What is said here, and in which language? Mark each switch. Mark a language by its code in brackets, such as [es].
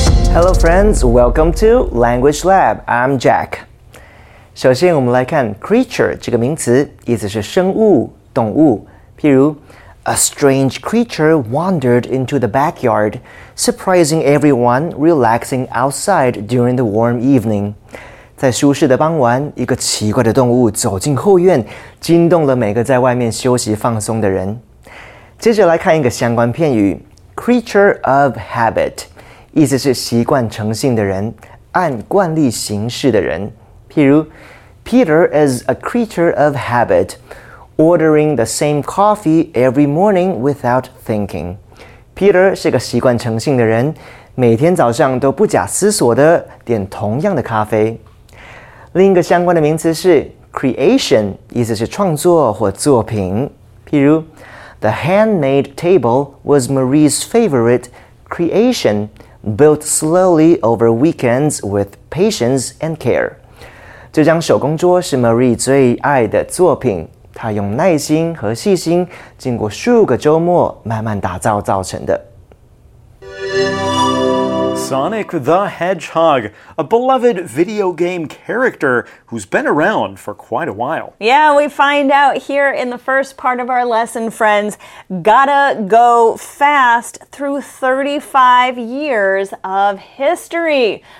[en] Hello friends, welcome to Language Lab, I'm Jack. [zh] 首先我们来看 creature 这个名词，意思是生物、动物。譬如 [en] A strange creature wandered into the backyard, surprising everyone relaxing outside during the warm evening. [zh] 在舒适的傍晚，一个奇怪的动物走进后院，惊动了每个在外面休息放松的人。接着来看一个相关片语 creature of habit。意思是习惯成性的人，按惯例行事的人。譬如 [en] ，Peter is a creature of habit, ordering the same coffee every morning without thinking. [zh] Peter 是个习惯成性的人，每天早上都不假思索地点同样的咖啡。另一个相关的名词是 creation， 意思是创作或作品。譬如 [en] ，The handmade table was Marie's favorite creation. Built slowly over weekends with patience and care. [zh] 这张手工桌是 Marie 最爱的作品，她用耐心和细心，经过数个周末慢慢打造造成的。 [en] Sonic the Hedgehog, a beloved video game character who's been around for quite a while. Yeah, we find out here in the first part of our lesson, friends, gotta go fast through 35 years of history.